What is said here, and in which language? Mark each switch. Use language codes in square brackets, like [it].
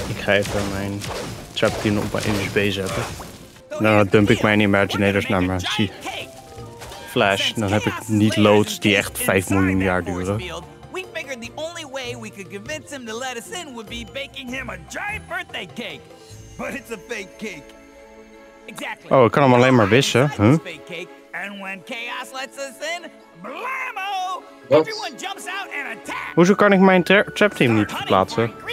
[nl] Ik ga even mijn trap team op mijn NHB zetten. Dan dump ik mijn Imaginators naar mijn Flash. Dan heb ik niet loads die echt 5 miljoen jaar duren. [en] We figured the only way we could convince him to let us in would be baking him a giant birthday cake. But it's a fake cake. Exactly. [nl] Oh, ik kan hem alleen maar wissen, huh? [en] And when Chaos lets us in, blammo! What? Everyone jumps out and attacks! [nl] Hoezo kan ik mijn trap team niet verplaatsen?